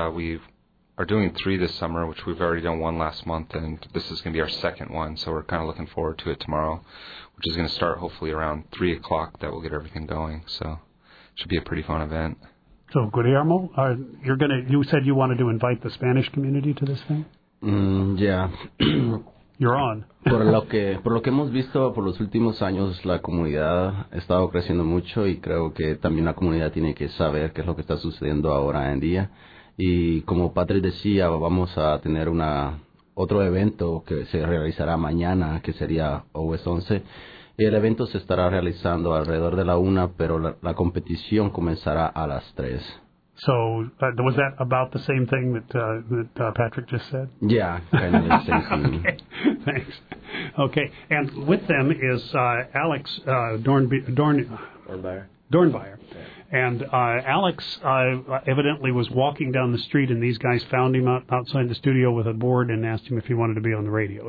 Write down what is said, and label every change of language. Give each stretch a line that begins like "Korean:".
English: We are doing three this summer, which we've already done one last month, and this is going to be our second one. So we're kind of looking forward to it tomorrow, which is going to start hopefully around 3 o'clock. That will get everything going. So it should be a pretty fun event. So Guillermo, you said you wanted to invite the Spanish community to this thing. Yeah, you're on.
Spanish: por lo que hemos visto por los últimos años, la comunidad ha estado creciendo mucho, y creo que también la comunidad tiene que saber qué es lo que está sucediendo ahora en día. Y como Patrick decía, vamos a tener otro evento que se realizará mañana, que sería OS 11. Y el evento se estará realizando alrededor de la una, pero la competición comenzará a las tres.
English: So, was that about the same thing that Patrick just said? Yeah, kind of the same thing. Okay, thanks. Okay, and with them is Alex Dornbuyer. And Alex evidently was walking down the street, and these guys found him outside the studio with a board and asked him if he wanted to be on the radio.